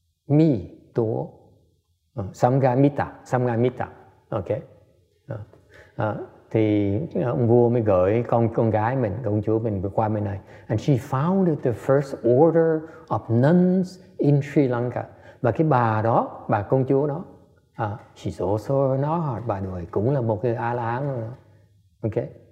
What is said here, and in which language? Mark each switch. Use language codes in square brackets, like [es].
[vi] mi to samgamita, samgamita. Okay. Thì vua mới gửi con gái mình, công chúa mình qua bên này. [en] And she founded the first order of nuns in Sri Lanka. [vi] Và cái bà đó, bà công chúa đó, [en] she's also an arhat, [vi] bà đời cũng là một cái A-la-hán. Okay.